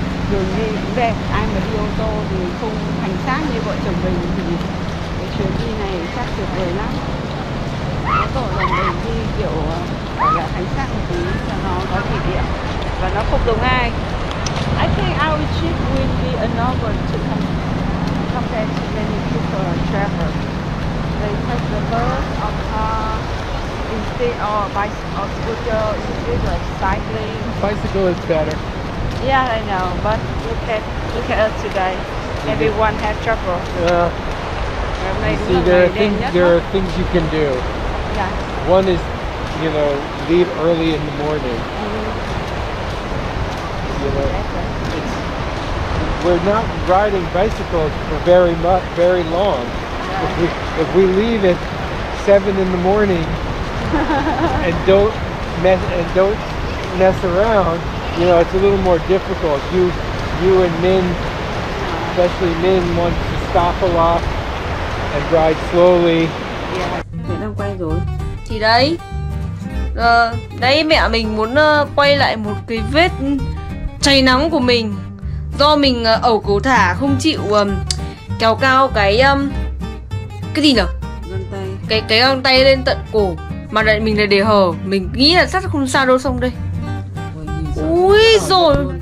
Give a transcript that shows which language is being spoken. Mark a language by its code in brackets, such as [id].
[vi] Đường đi cũng đẹp, ai mà đi ô tô thì không hành xác như vợ chồng mình thì cái chuyến đi này chắc tuyệt vời lắm. Có tổ dòng mình đi kiểu phải là hành xác một tí cho nó có kỷ niệm và nó không giống ai. [en] I think our trip will be a novel to compare to many people travel. They take the bus or car instead of bicycle or scooter instead of cycling. Bicycle is better. Yeah, I know, but look at us today. Mm-hmm. Everyone has trouble. There are things you can do. Yeah. One is, you know, leave early in the morning. Mm-hmm. You know. We're not riding bicycles for very long. Yeah. If we leave at 7 in the morning and don't mess around, you know, it's a little more difficult. You and Min, especially Min, want to stop a lot and ride slowly. Yeah. [vi] Thì đấy. Đấy, mẹ mình muốn quay lại một cái vết cháy nắng của mình. Do mình ẩu cấu thả không chịu kéo cao cái gì nhở? Cái găng tay lên tận cổ. Mà lại mình lại để hở. Mình nghĩ là sắt không sao đâu, xong đây. Ui dồi.